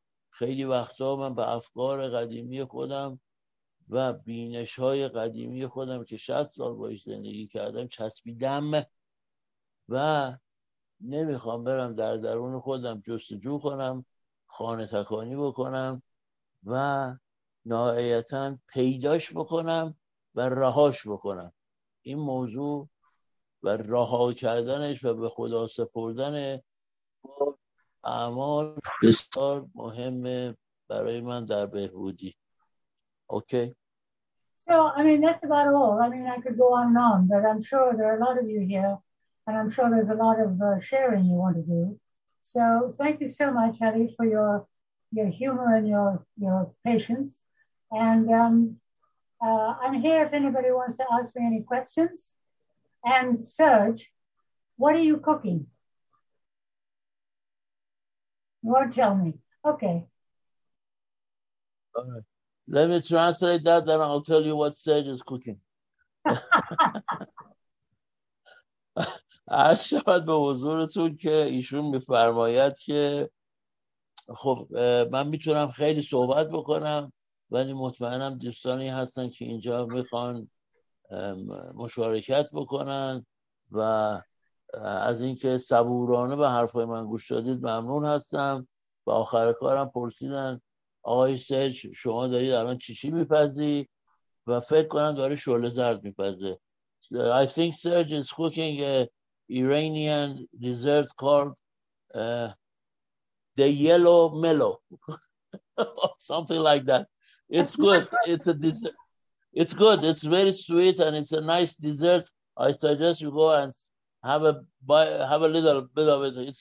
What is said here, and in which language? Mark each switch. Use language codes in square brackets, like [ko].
[fa] خیلی وقتا من به افکار قدیمی خودم و بینش های قدیمی خودم که 60 سال باهاش زندگی کردم چسبیدم و نمیخوام برم در درون خودم جستجو کنم، خانه تکانی بکنم و نهایتا پیداش بکنم و رهاش بکنم. این موضوع و رها کردنش و به خدا سپردن اعمال بسیار مهمه برای من در بهبودی. اوکی. [en] So, I mean, that's about all. I mean, I could go on and on, but I'm sure there are a lot of you here, and I'm sure there's a lot of sharing you want to do. So, thank you so much, Ali, for your humor and your patience. And I'm here if anybody wants to ask me any questions. And Serge, what are you cooking? You won't tell me. Okay. All right. Let me translate that, then I'll tell you what Serge is cooking. [fa] عرض شد به حضورتون که ایشون میفرماید که خب من میتونم خیلی صحبت بکنم ولی مطمئنم دوستانی هستن که اینجا میخوان مشارکت بکنن و از اینکه صبورانه به حرفای من گوش دادید ممنون هستم. و آخر کارم پرسیدن آقای سرچ شما دارید الان چی میپزی؟ و فکر کنم داره شعله زرد میپزه. [en] I think Serge is cooking an Iranian dessert called the yellow melo. Something like that. It's good. It's a dessert. It's good. It's very sweet and it's a nice dessert. I suggest you go and have a little bit of it.